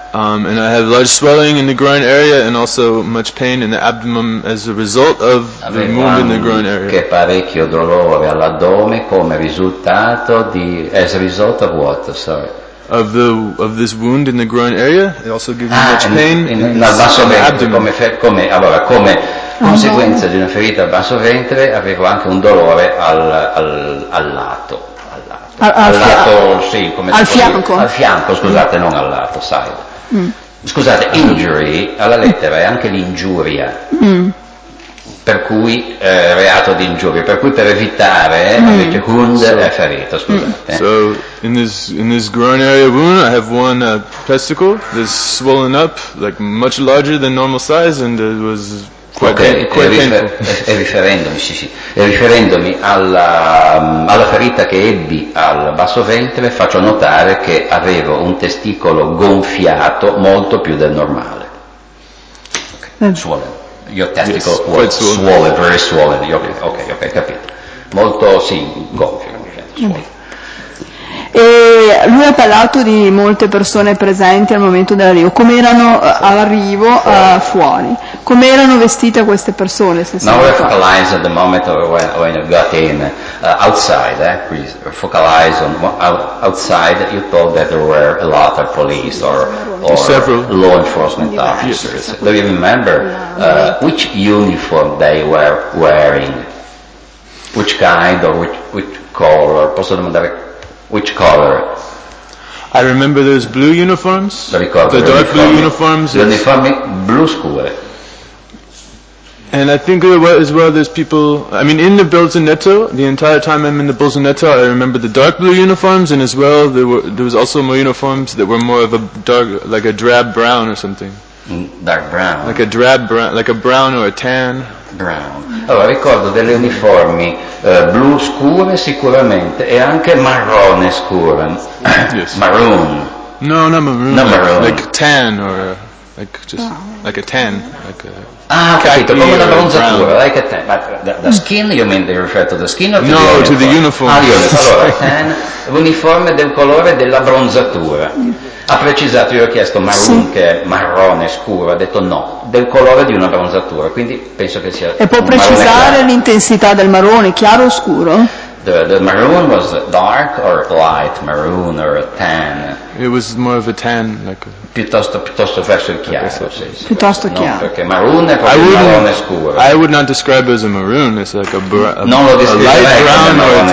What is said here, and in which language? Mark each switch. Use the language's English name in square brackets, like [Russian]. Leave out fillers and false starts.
[English] And I have large swelling in the groin area and also much pain in the abdomen as a result of the wound in the groin area. [Italian] Che parecchio dolore all'addome come risultato di [English] as a result of what? Sorry. Of this wound in the groin area, it also gives me much pain in the [Italian] basso ventre, [English] abdomen. [Italian] Come conseguenza di una ferita al basso ventre, avevo anche un dolore al lato. Al fianco, scusate, non al lato, side. Scusate, injury alla lettera è anche l'ingiuria, per cui reato di ingiuria, per cui per evitare invece wound è ferito, scusate. [English] So in this groin area wound I have one testicle that's swollen up like much larger than normal size and it was [Italian] riferendomi alla ferita che ebbi al basso ventre, faccio notare che avevo un testicolo gonfiato molto più del normale. [English] Okay. Swollen. Your testicle was swollen, very swollen. [Italian] Ok, capito. Molto, sì, gonfio. E lui ha parlato di molte persone presenti al momento dell'arrivo. Come erano all'arrivo fuori? Come erano vestite queste persone? [English] Now we focalize at the moment of when you got in outside. Please focalize on outside. You thought that there were a lot of police or several law enforcement officers. Do you remember which uniform they were wearing? Which kind or which color? [Italian] Posso domandare? [English] Which color? I remember those blue uniforms. The dark blue uniforms. The uniform blue scure. And I think as well there's people, I mean in the Bolzaneto, the entire time I'm in the Bolzaneto, I remember the dark blue uniforms and as well there was also more uniforms that were more of a dark, like a drab brown or something. Dark brown. Like a drab brown, like a brown or a tan. Brown. [Italian] Allora ricordo delle uniformi blu scure sicuramente e anche marrone scure. [English] Yes. Maroon. No, not maroon. Not maroon. Like tan or like just like a tan. [Italian] Capito, come la bronzatura, [English] like a tan. The skin, you mean they refer to the skin or to no, the uniform? No, to the uniform. [Italian] Allora, tan, uniforme del colore della bronzatura. Ha precisato, io ho chiesto maroon, sì. Che è marrone scuro, ha detto no, del colore di una bronzatura, quindi penso che sia. E può precisare l'intensità del marrone, chiaro o scuro? [English] The maroon was dark or light maroon or a tan? It was more of a tan, like a [Italian] piuttosto verso il chiaro, [English] okay, so. [Italian] Sì, sì. Piuttosto chiaro. No, perché maroon è proprio marrone scuro. [English] I would not describe it as a maroon, it's like a light brown [Italian] come [English] or [Italian] marrone